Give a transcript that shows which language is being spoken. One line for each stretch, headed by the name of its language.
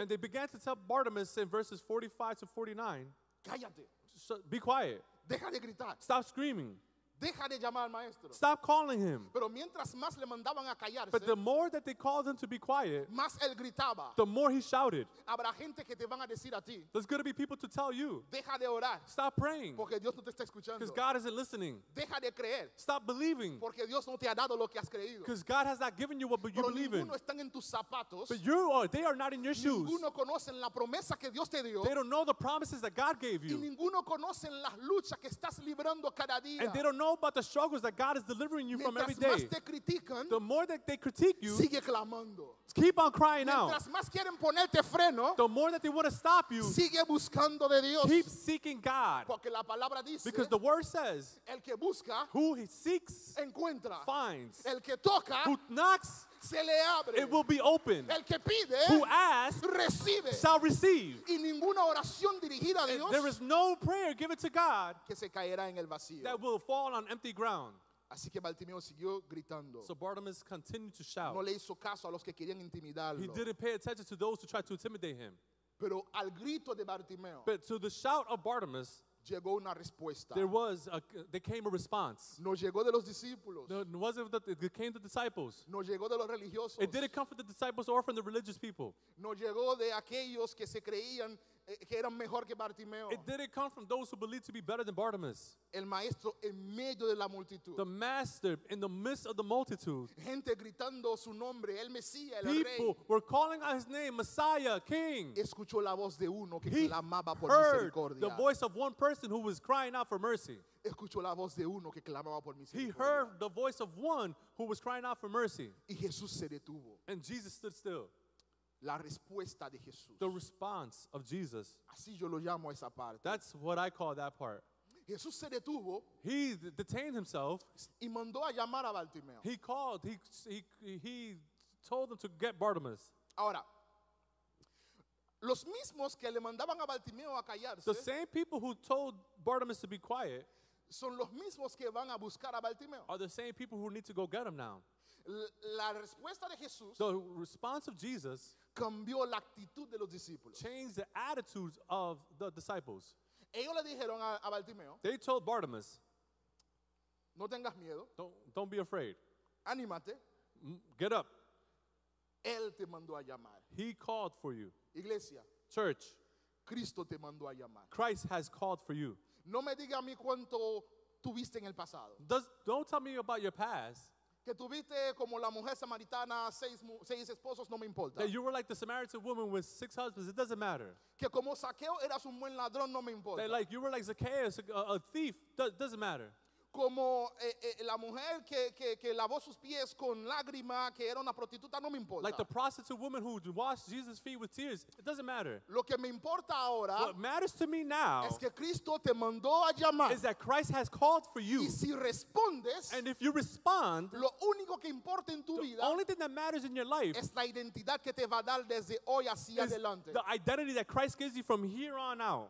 English: and they began to tell Bartimaeus in verses 45 to 49,
Spanish: cállate,
English: so be quiet,
Spanish: deja de gritar,
English: stop screaming,
Spanish: deja de llamar al maestro,
English: stop calling him.
Spanish: Pero mientras más le mandaban a callarse,
English: but the more that they called him to be quiet,
Spanish: más él gritaba,
English: the more he shouted.
Spanish: Habrá gente que te van a decir a ti,
English: there's going to be people to tell you,
Spanish: deja de orar,
English: stop praying,
Spanish: porque Dios no te está escuchando,
English: because God isn't listening,
Spanish: deja de creer,
English: stop believing,
Spanish: porque Dios no te ha dado lo que has creído,
English: because God has not given you what you believe in.
Spanish: Pero ninguno están en tus zapatos,
English: but you are, they are not in your shoes.
Spanish: Ninguno conocen la promesa que Dios te dio,
English: they don't know the promises that God gave you,
Spanish: y ninguno conocen las luchas que estás librando cada día,
English: and they don't know about the struggles that God is delivering you from every day. The more that they critique you,
Spanish: sigue clamando.
English: Keep on crying out.
Spanish: Más quieren ponerte freno,
English: the more that they want to stop you,
Spanish: sigue buscando de Dios.
English: Keep seeking God.
Spanish: Porque la palabra dice,
English: because the word says,
Spanish: el que busca,
English: who he seeks,
Spanish: encuentra.
English: Finds.
Spanish: El que toca,
English: who knocks,
Spanish: se le abre.
English: It will be open.
Spanish: El que pide,
English: who asks,
Spanish: recibe.
English: Shall receive.
Spanish: Y ninguna oración dirigida a Dios,
English: there is no prayer given to God
Spanish: que se caerá en el vacío,
English: that will fall on empty ground.
Spanish: Así que Bartimeo siguió gritando.
English: So Bartimaeus continued to shout.
Spanish: No le hizo caso a los que querían intimidarlo.
English: He didn't pay attention to those who tried to intimidate him.
Spanish: Pero al grito de Bartimeo,
English: but to the shout of Bartimaeus,
Spanish: llegó una respuesta.
English: There came a response.
Spanish: No llegó de los discípulos.
English: It came to disciples.
Spanish: No llegó de los religiosos.
English: It didn't come from the disciples or from the religious people.
Spanish: No llegó de aquellos que se creían que eran mejor que Bartimeo.
English: It didn't come from those who believed to be better than Bartimaeus.
Spanish: El maestro en medio de la multitud.
English: The master in the midst of the multitude.
Spanish: Gente gritando su nombre, el Mesías, el Rey.
English: People were calling out his name, Messiah, King.
Spanish: Escuchó la voz de uno que
English: he
Spanish: clamaba por misericordia.
English: Heard the voice of one person who was crying out for mercy.
Spanish: Escuchó la voz de uno que clamaba por misericordia.
English: He heard the voice of one who was crying out for mercy.
Spanish: Y Jesús se detuvo.
English: And Jesus stood still.
Spanish: La respuesta de Jesús.
English: The response of Jesus.
Spanish: Así yo lo llamo esa parte.
English: That's what I call that part.
Spanish: Jesús se detuvo.
English: He detained himself.
Spanish: Y mandó a llamar a Bartimeo.
English: He called. He told them to get Bartimaeus.
Spanish: Ahora, los mismos que le mandaban a Bartimeo a callarse,
English: the same people who told Bartimaeus to be quiet,
Spanish: son los mismos que van a buscar a Bartimeo.
English: Are the same people who need to go get him now.
Spanish: La respuesta de Jesús,
English: the response of Jesus,
Spanish: cambió la actitud de los discípulos.
English: Changed the attitudes of the disciples.
Spanish: Ellos le dijeron a Bartimeo,
English: they told Bartimaeus,
Spanish: no tengas miedo,
English: don't be afraid,
Spanish: anímate,
English: get up,
Spanish: él te mandó a llamar,
English: he called for you,
Spanish: iglesia,
English: church,
Spanish: Cristo te mandó a llamar,
English: Christ has called for you.
Spanish: No me diga a mí cuánto tuviste en el pasado.
English: Don't tell me about your past.
Spanish: Que tuviste como la mujer samaritana seis esposos, no me importa.
English: That you were like the Samaritan woman with six husbands, it doesn't matter.
Spanish: Que como Zaqueo eras un buen ladrón, no me importa.
English: That like you were like Zacchaeus, a thief, doesn't matter.
Spanish: Como la mujer que lavó sus pies con lágrima, que era una prostituta, no me importa.
English: Like the prostitute woman who washed Jesus' feet with tears, it doesn't matter.
Spanish: Lo que me importa ahora,
English: what matters to me now,
Spanish: es que Cristo te mandó a llamar,
English: is that Christ has called for you.
Spanish: Y si respondes,
English: and if you respond,
Spanish: lo único que importa en tu
English: the
Spanish: vida,
English: only thing that matters in your life,
Spanish: es la identidad que te va a dar desde hoy hacia adelante.
English: The identity that Christ gives you from here on out.